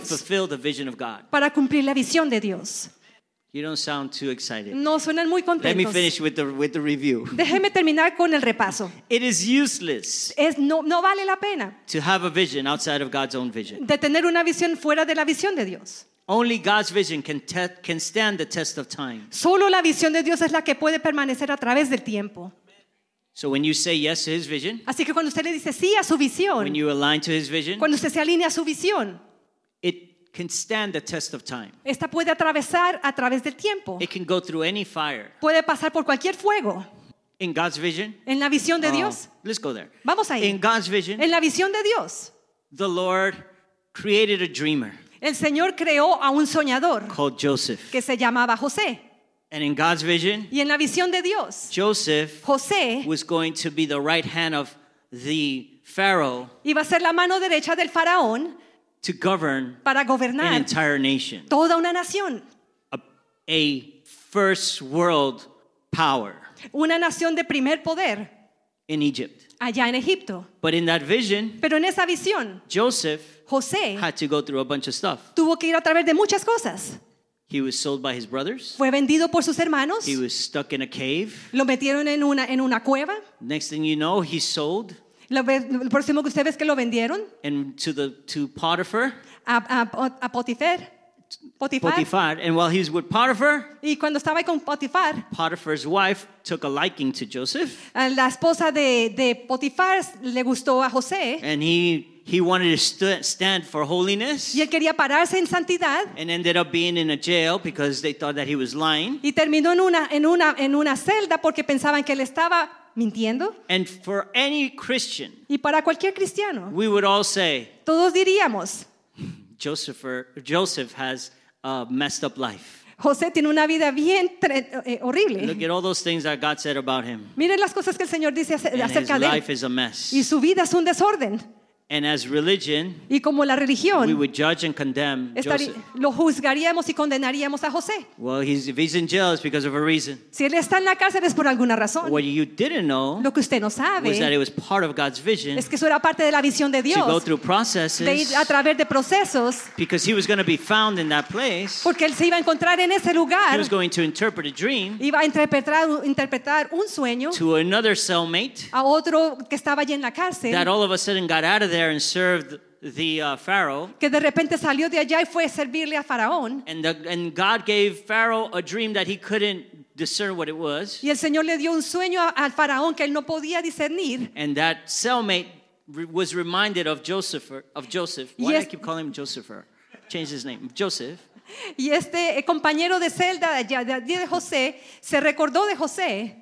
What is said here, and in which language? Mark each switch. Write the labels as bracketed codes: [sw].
[en] To fulfill the vision of God. [es] Para cumplir la visión de Dios. [en] You don't sound too excited. [es] No suenan muy contentos. [en] Let me finish with the review. [es] Déjeme terminar con el repaso. [en] It is useless. [es] Es no vale la pena. [en] To have a vision outside of God's own vision. [es] De tener una visión fuera de la visión de Dios. [en] Only God's vision can stand the test of time. [es] Solo la visión de Dios es la que puede permanecer a través del tiempo. [en] So when you say yes to his vision. [es] Así que cuando usted le dice sí a su visión. [en] When you align to his vision. [es] Cuando usted se alinea a su visión. [en] It can stand the test of time. [es] Esta puede atravesar a través del tiempo. [en] It can go through any fire. [es] Puede pasar por cualquier fuego. [en] In God's vision. [es] En la visión de Dios. [en] Let's go there. [es] Vamos ahí. [en] In God's vision. [es] En la visión de Dios. [en] The Lord created a dreamer. [es] El Señor creó a un soñador. [en] Called Joseph. [es] Que se llamaba José. [en] And in God's vision. [es] Y en la visión de Dios. [en] Joseph. [es] José. [en] Was going to be the right hand of the Pharaoh. [es] Iba a ser la mano derecha del faraón. [en] To govern [es] para gobernar [en] an entire nation. [es] Toda una nación. [en] A first world power. [es] Una nación de primer poder. [en] In Egypt. [es] Allá en Egipto. [en] But in that vision, [es] pero en esa visión, [en] Joseph, [es] José, [en] had to go through a bunch of stuff. [es] Tuvo que ir a través de muchas cosas. [en] He was sold by his brothers. [es] Fue vendido por sus hermanos. [en] He was stuck in a cave. [es] Lo metieron en una cueva. [en] Next thing you know, he's sold. [es] Lo próximo que usted ve es que lo vendieron. [en] And to Potiphar. [es] A Potifar. [en] Potifar. And while he was with Potiphar, [es] y cuando estaba ahí con Potifar, [en] Potiphar's wife took a liking to Joseph. [es] La esposa de Potifar le gustó a José. [en] And he wanted to stand for holiness. [es] Y él quería pararse en santidad. [en] And ended up being in a jail because they thought that he was lying. [es] Y terminó en una celda porque pensaban que él estaba mintiendo. [en] And for any Christian, [es] y para cualquier cristiano, [en] we would all say, [es] todos diríamos, [en] Joseph has a messed up life. [es] José tiene una vida bien horrible. [en] Look at all those things that God said about him. [es] Miren las cosas que el Señor dice acerca de él. [en] His life is a mess. [es] Y su vida es un desorden. [en] And as religion, [es] y como la religión, [en] we would judge and condemn Joseph. [es] Lo juzgaríamos y condenaríamos a José. [en] Well, if he's in jail, it's because of a reason. [es] Si él está en la cárcel es por alguna razón. [en] What you didn't know, [es] lo que usted no sabe, [en] was that it was part of God's vision. [es] Es que eso era parte de la visión de Dios. [en] To go through processes, [es] de ir a través de procesos. [en] Because he was going to be found in that place. [es] Porque él se iba a encontrar en ese lugar. [en] He was going to interpret a dream. [es] Iba a interpretar un sueño. [en] To another cellmate, [es] a otro que estaba allí en la cárcel. [en] That all of a sudden got out of there and served the Pharaoh. [es] Que de repente salió de allá y fue a servirle a Faraón. [en] And God gave Pharaoh a dream that he couldn't discern what it was. [es] Y el Señor le dio un sueño al Faraón que él no podía discernir. [en] And that cellmate was reminded of Joseph. Why do I keep calling him Joseph? Change his name. Joseph. [es] Y este compañero de celda de José se recordó de José.